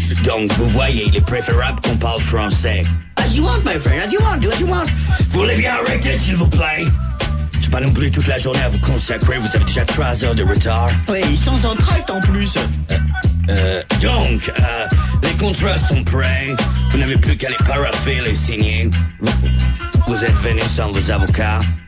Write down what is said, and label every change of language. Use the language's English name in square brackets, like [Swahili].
[French] Donc vous voyez, il est préférable qu'on parle français. [English] As you want, my friend, as you want, do as you want. [French] Vous voulez bien arrêter, s'il vous plaît? J'ai pas non plus toute la journée à vous consacrer, vous avez déjà 3 heures de retard. Oui, sans entraide en plus. Les contrats sont prêts. Vous n'avez plus qu'à les paraffer, les signer. Vous êtes venu sans vos avocats?